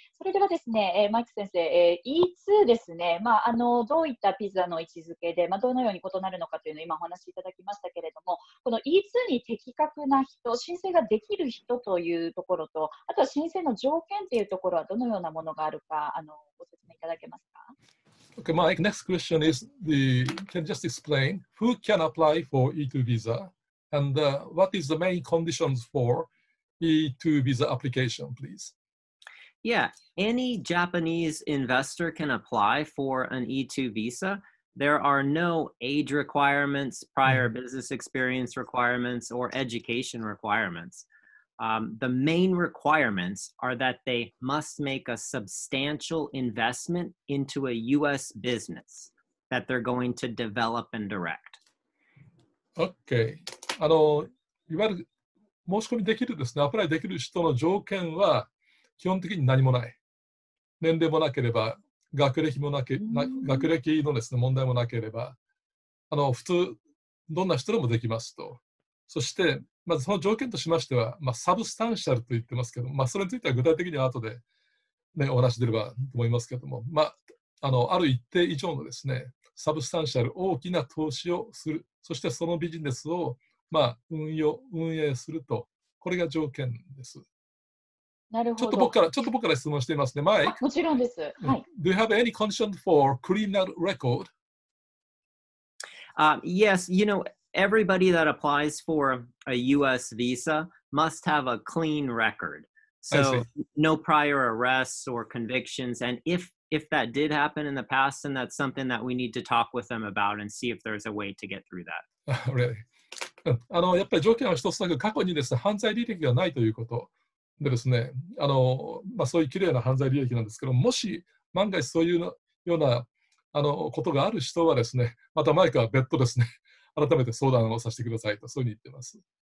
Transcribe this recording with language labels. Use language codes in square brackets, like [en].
[ja] それではですね、マイク先生、E2 ですね、まあ、どういったビザの位置づけで、まあ、どのように異なるのかというのを今お話しいただきましたけれども、この E2 に的確な人、申請ができる人というところと、あとは申請の条件というところはどのようなものがあるか、ご説明いただけますか。 [en] Okay, Mike, next question is, can you just explain who can apply for E2 visa and what is the main conditions for E2 visa application, please? Yeah, any Japanese investor can apply for an E2 visa. There are no age requirements, prior business experience requirements, or education requirements. The main requirements are that they must make a substantial investment into a U.S. business that they're going to develop and direct. Okay. [ja] いわゆる申し込みできるですね、アプライできる人の条件は基本的に何もない。年齢もなければ、学歴のですね、問題もなければ、普通、どんな人でもできますと。そして、まずその条件としましては、まあ、サブスタンシャルと言ってますけど、まあ、それについては具体的には後でね、お話し出ればと思いますけども、まあ、ある一定以上のですね、サブスタンシャル、大きな投資をする、そしてそのビジネスを、まあ、運営すると、これが条件です。なるほど。ちょっと僕から質問していますね。前、もちろんです。はい。 [en] Do you have any condition for criminal record? Yes, you know, everybody that applies for a U.S. visa must have a clean record. So no prior arrests or convictions. And if that did happen in the past, then that's something that we need to talk with them about and see if there's a way to get through that. Really? [ja] やっぱり条件は一つだけ、過去にですね、犯罪履歴がないということでですね、まあ、そういうきれいな犯罪履歴なんですけど、もし万が一そういうようなことがある人はですね、またマイクは別途ですね、改めて相談をさせてくださいと、そういうふうに言ってます。